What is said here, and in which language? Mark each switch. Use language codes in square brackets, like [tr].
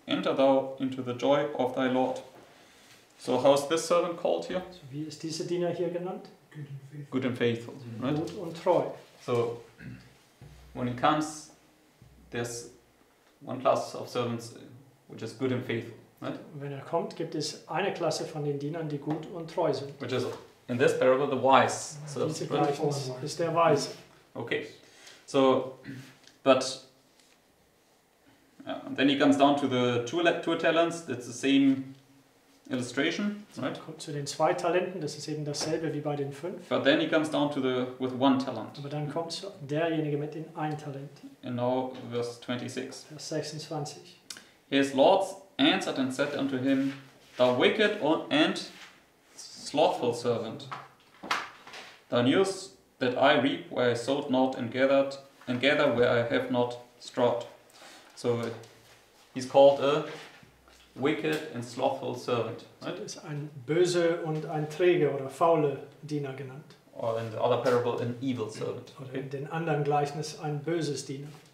[en] Enter thou into the joy of thy Lord. So how is this servant called here? [de] So wie ist dieser Diener hier genannt? [en] Good and faithful. Good and right? [de] Gut und treu. [en] So when it comes, there's one class of servants which is good and faithful, right? [de] Wenn er kommt, gibt es eine Klasse von den Dienern, die gut und treu sind. [en] Which is in this parable the wise. So this is [de] der Weise. [en] Okay. So, but then he comes down to the two talents. That's the same illustration, right? [de] Kommt zu den 2 Talenten. Das ist eben dasselbe wie bei den 5. [en] But then he comes down to the with 1 talent. [de] Aber dann kommt derjenige mit den 1 Talent. [en] And now verse 26. [de] Vers 26. [en] His Lord answered and said unto him, Thou wicked and slothful servant, thou knewest that I reap where I sowed not, and gather where I have not strawed. So he's called a wicked and slothful servant. Right? [de] Ist ein böse und ein träge oder faule Diener genannt. [en] Or in the other parable, an evil servant. [de] Oder in den anderen Gleichnis ein böses Diener.